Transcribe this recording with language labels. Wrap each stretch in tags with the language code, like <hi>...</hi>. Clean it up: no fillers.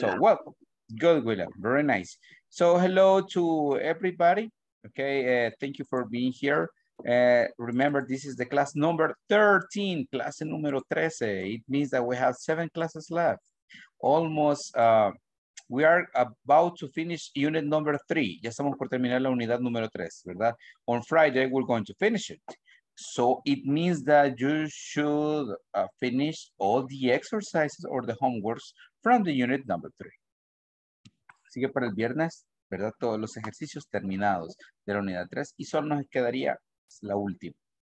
<en>So, well, good, William. Very nice. So, hello to everybody. Okay, thank you for being here. Remember, this is the class number 13,</en> <es>clase número 13.</es> <en>It means that we have 7 classes left. Almost, we are about to finish unit number 3.</en> <es>Ya estamos por terminar la unidad número 3, ¿verdad?</es> <en>On Friday, we're going to finish it. So it means that you should finish all the exercises or the homeworks from the unit number 3.</en> <es>Sigue para el viernes, ¿verdad? Todos los ejercicios terminados de la unidad 3 y solo nos quedaría la última.</es>